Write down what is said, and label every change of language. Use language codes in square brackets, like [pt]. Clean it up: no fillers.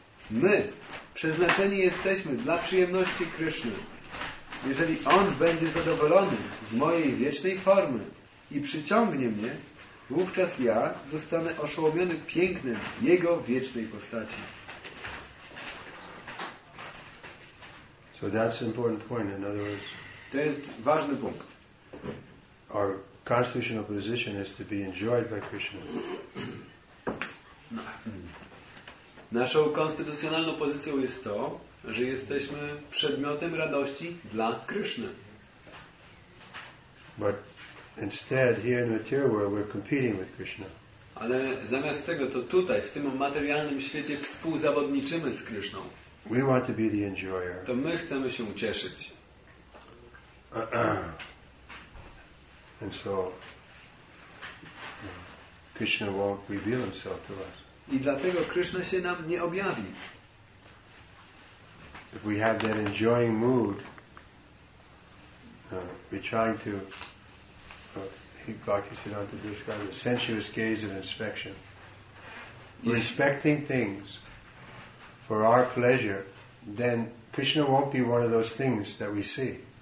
[pl] My przeznaczeni jesteśmy dla przyjemności Kryszny. Jeżeli On będzie zadowolony z mojej wiecznej formy i przyciągnie mnie, wówczas ja zostanę oszołomiony pięknem Jego wiecznej postaci. [en] So that's an important point. In other words, [pl] to jest ważny punkt. [en] Our constitutional position is to be enjoyed by Krishna. [pl] Naszą konstytucjonalną pozycją jest to, że jesteśmy przedmiotem radości dla Kryszny. [en] But instead, here in the material world, we're competing with Krishna. [pl] Ale zamiast tego, to tutaj, w tym materialnym świecie, współzawodniczymy z Kryszną. [en] We want to be the enjoyer. [pl] To my chcemy się ucieszyć. [en] And so, Krishna won't reveal himself to us. [pl] I dlatego Krishna się nam nie objawi. [en] If we have that enjoying mood, we're trying to, Bhakti Siddhanta described the sensuous gaze of inspection. We're inspecting things for our pleasure, then Krishna won't be one of those things that we see.